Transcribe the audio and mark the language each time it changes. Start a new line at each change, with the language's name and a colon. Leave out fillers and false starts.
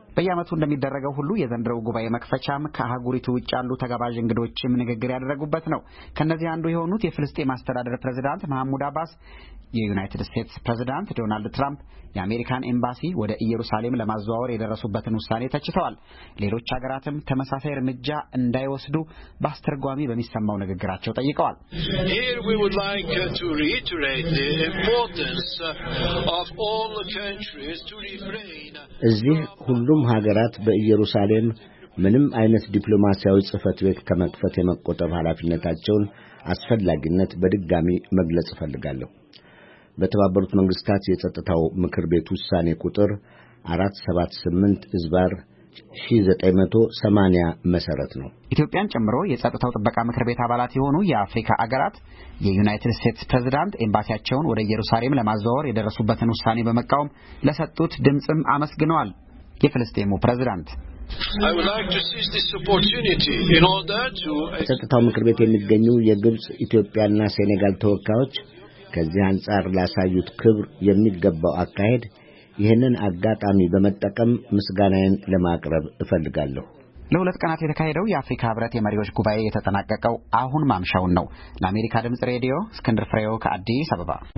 Amharic: በየአመቱ እንደሚደረገው ሁሉ የዘንድሮው ጉባኤ መክፈቻም ከአህጉሪቱ ውጭ ያሉ ተጋባዥ እንግዶችም ንግግር ያደረጉበት ነው። ከነዚህ አንዱ የሆኑት የፍልስጤም አስተዳደር ፕሬዝዳንት ማህሙድ አባስ፣ የዩናይትድ ስቴትስ ፕሬዝዳንት ዶናልድ ትራምፕ የአሜሪካን ኤምባሲ ወደ ኢየሩሳሌም ለማዘዋወር የደረሱበትን ውሳኔ ተችተዋል። ሌሎች ሀገራትም ተመሳሳይ እርምጃ እንዳይወስዱ በአስተርጓሚ በሚሰማው ንግግራቸው ጠይቀዋል።
English: Here we would like to reiterate the importance of all countries to refrain.
Amharic: እዚህ ሁሉም ሀገራት በኢየሩሳሌም ምንም አይነት ዲፕሎማሲያዊ ጽፈት ቤት ከመክፈት የመቆጠብ ኃላፊነታቸውን አስፈላጊነት በድጋሚ መግለጽ ፈልጋለሁ። በተባበሩት መንግስታት የጸጥታው ምክር ቤት ውሳኔ ቁጥር 478 ዝባር 1980 መሰረት ነው። ኢትዮጵያን ጨምሮ የጸጥታው ጥበቃ ምክር ቤት አባላት የሆኑ የአፍሪካ አገራት የዩናይትድ ስቴትስ ፕሬዝዳንት ኤምባሲያቸውን ወደ ኢየሩሳሌም ለማዘዋወር የደረሱበትን ውሳኔ በመቃወም ለሰጡት ድምጽም አመስግነዋል። የፍልስጤሙ ፕሬዝዳንት
English: I would like to seize this opportunity in order to
Amharic: የጸጥታው ምክር ቤት የሚገኙ የግብጽ፣ ኢትዮጵያና ሴኔጋል ተወካዮች ከዚህ አንጻር ላሳዩት ክብር የሚገባው አካሄድ ይህንን አጋጣሚ በመጠቀም ምስጋናዬን ለማቅረብ እፈልጋለሁ። ለሁለት ቀናት የተካሄደው የአፍሪካ ህብረት የመሪዎች ጉባኤ የተጠናቀቀው አሁን ማምሻውን ነው። ለአሜሪካ ድምጽ ሬዲዮ እስክንድር ፍሬው ከአዲስ አበባ።